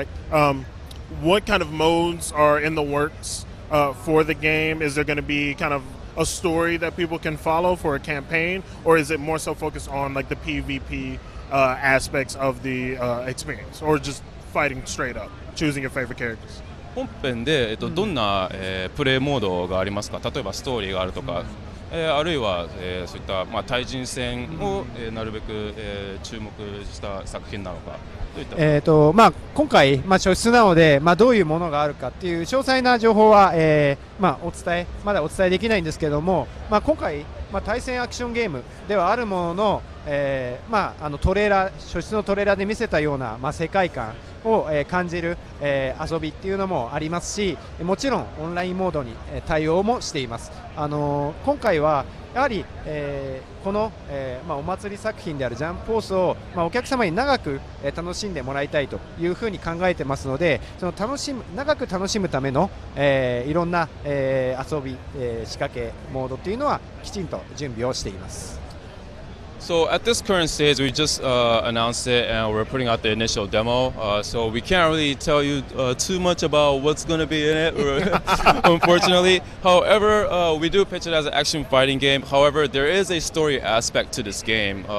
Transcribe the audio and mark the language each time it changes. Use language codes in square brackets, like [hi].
[en] What kind of modes are in the works for the game? Is there going to be kind of a story that people can follow for a campaign, or is it more so focused on like the PvP aspects of the experience, or just fighting straight up, choosing your favorite characters? [ja] 本編で、どんな、プレイモードがありますか。例えばストーリーがあるとか、あるいは、そういった、まあ、対人戦を、なるべく、注目した作品なのか、どういった、まあ、今回、まあ、初出なので、まあ、どういうものがあるかっていう詳細な情報は、まあ、まだお伝えできないんですけども、まあ、今回、まあ、対戦アクションゲームではあるものの、まあ、あのトレーラー初出のトレーラーで見せたような、まあ、世界観を感じる遊びっていうのもありますし、もちろんオンラインモードに対応もしています。今回はやはりこのまあお祭り作品であるジャンプフォースをまあお客様に長く楽しんでもらいたいというふうに考えてますので、その長く楽しむためのいろんな遊び仕掛けモードっていうのはきちんと準備をしています。 [en] So at this current stage, we just announced it and we're putting out the initial demo. So we can't really tell you too much about what's going to be in it, unfortunately. However, we do pitch it as an action fighting game. However, there is a story aspect to this game.